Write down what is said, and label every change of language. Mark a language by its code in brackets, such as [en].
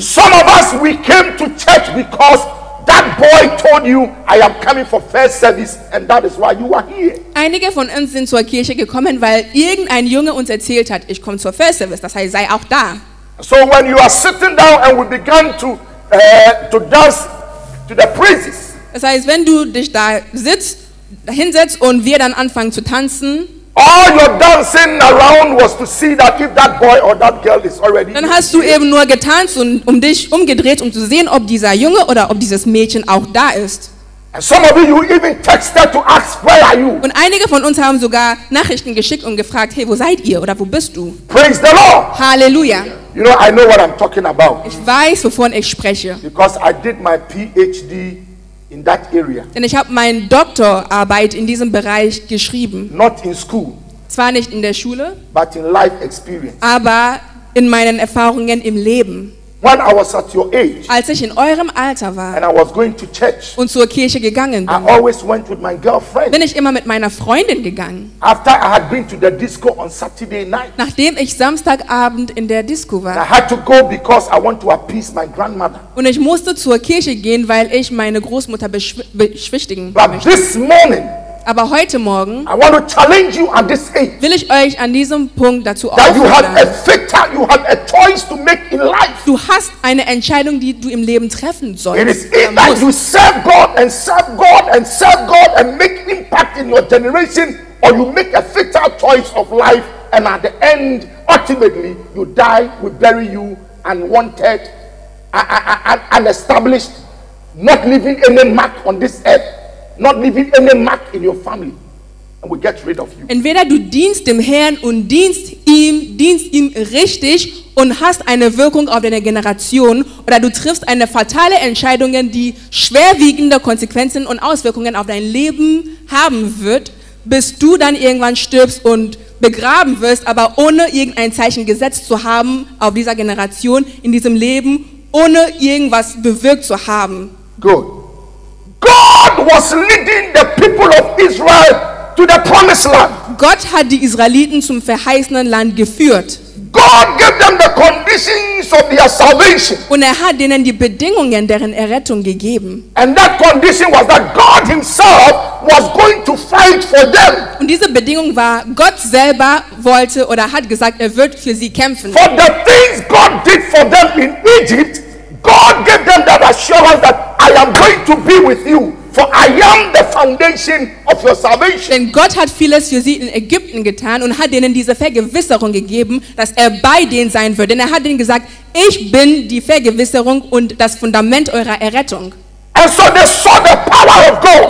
[en] Some of us, we came to church because That boy told you, I am coming for first service, and that is why you are here. [de] Einige von uns sind zur Kirche gekommen, weil irgendein Junge uns erzählt hat, ich komme zur first service. Das heißt, sei auch da. [en] So when you are sitting down and we began to dance to the praises. [de] Das heißt, wenn du dich da hinsetzt und wir dann anfangen zu tanzen. [en] All your dancing around was to see that if that boy or that girl is already. [de] Dann hast du eben nur getanzt und dich umgedreht, um zu sehen, ob dieser Junge oder ob dieses Mädchen auch da ist. [en] And some of you even texted to ask, where are you? [de] Und einige von uns haben sogar Nachrichten geschickt und gefragt, hey, wo seid ihr oder wo bist du? [en] Praise the Lord. [de] Halleluja. [en] You know, I know what I'm talking about. [de] Ich weiß, wovon ich spreche. [en] Because I did my PhD. In that area. [de] Denn ich habe meine Doktorarbeit in diesem Bereich geschrieben. [en] Not in school. [de] Zwar nicht in der Schule. [en] But in life experience. [de] Aber in meinen Erfahrungen im Leben. [en] When I was at your age. [de] Als ich in eurem Alter war. [en] And I was going to church. [de] Und zur Kirche gegangen bin. [en] I always went with my girlfriend. [de] Bin ich immer mit meiner Freundin gegangen. [en] After I had been to the disco on Saturday night. [de] Nachdem ich Samstagabend in der Disco war. [en] And I had to go because I want to appease my grandmother. [de] Und ich musste zur Kirche gehen, weil ich meine Großmutter beschwichtigen [en] but [de] möchte. [en] This morning. [de] Aber heute Morgen [en] I want to challenge you at this age, [de] will ich euch an diesem Punkt dazu auffordern, [en] that you have a factor, you have a choice to make in life. [de] Du hast eine Entscheidung, die du im Leben treffen sollst. [en] It is either you serve God and serve God and serve God and make impact in your generation, or you make a fatal choice of life and at the end, ultimately, you die, we bury you unwanted, unestablished, not leaving any mark on this earth. Not leaving any mark in your family, and we get rid of you. [de] Entweder du dienst dem Herrn und dienst ihm richtig und hast eine Wirkung auf deine Generation, oder du triffst eine fatale Entscheidung, die schwerwiegende Konsequenzen und Auswirkungen auf dein Leben haben wird, bis du dann irgendwann stirbst und begraben wirst, aber ohne irgendein Zeichen gesetzt zu haben auf dieser Generation, in diesem Leben, ohne irgendwas bewirkt zu haben. [en] Good. God was leading the people of Israel to the promised land. [de] Gott hat die Israeliten zum verheißenen Land geführt. [en] God gave them the conditions of their salvation. [de] Und hat ihnen die Bedingungen deren Errettung gegeben. [en] And that condition was that God himself was going to fight for them. [de] Und diese Bedingung war, Gott selber wollte oder hat gesagt, wird für sie kämpfen. [en] For the things God did for them in Egypt, God gave them that assurance that I am going to be with you, for I am the foundation of your salvation. [de] Denn Gott hat vieles für sie in Ägypten getan und hat ihnen diese Vergewisserung gegeben, dass bei denen sein wird. Denn hat ihnen gesagt, ich bin die Vergewisserung und das Fundament eurer Errettung. [en] And so they saw the power of God.